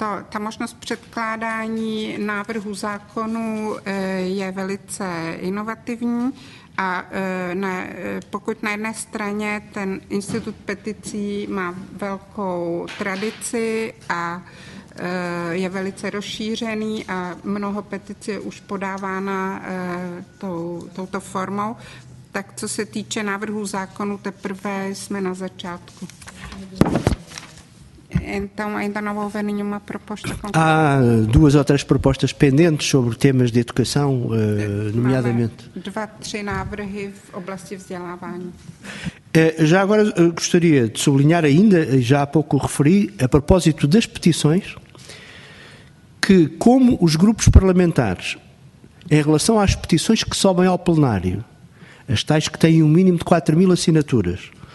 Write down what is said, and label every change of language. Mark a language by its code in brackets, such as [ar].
[cs] Ta možnost předkládání návrhu zákonu je velice inovativní a pokud na jedné straně ten institut peticí má velkou tradici a je velice rozšířený a mnoho petic je už podávána touto formou, tak co se týče návrhu zákonu, teprve jsme na začátku. [pt] Então, ainda não houve nenhuma proposta concreta. Há duas ou três propostas pendentes sobre temas de educação, nomeadamente. [cs] Máme dva, tři návrhy v oblasti vzdělávání. [pt] Já agora gostaria de sublinhar ainda, já há pouco referi, a propósito das petições, que como os grupos parlamentares, em relação às petições que sobem ao plenário, as tais que têm um mínimo de 4 mil assinaturas,